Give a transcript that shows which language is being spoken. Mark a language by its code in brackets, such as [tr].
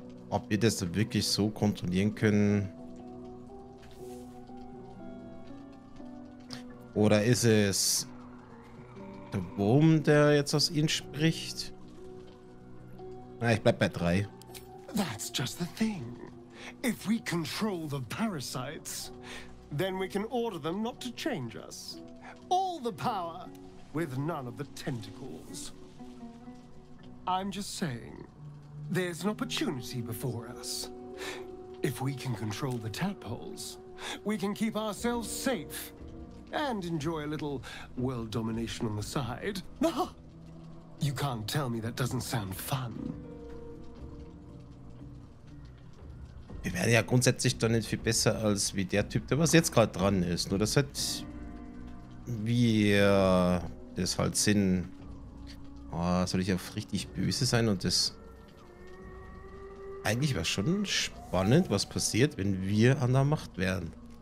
[de] Ob wir das wirklich so kontrollieren können? Oder ist es Dr. Bohm, der jetzt aus ihnen spricht. Na, ich bleib bei 3. [en] That's just the thing. If we control the parasites, then we can order them not to change us. All the power with none of the tentacles. I'm just saying, there's an opportunity before us. If we can control the tadpoles, we can keep ourselves safe and enjoy a little world domination on the side. You can't tell me that doesn't sound fun. [de] Wir wären ja grundsätzlich doch nicht viel besser als wie der Typ, der was jetzt gerade dran ist. Nur dass halt wir das halt sind. Oh, soll ich auf richtig böse sein und das. Eigentlich wäre schon spannend, was passiert, wenn wir an der Macht wären.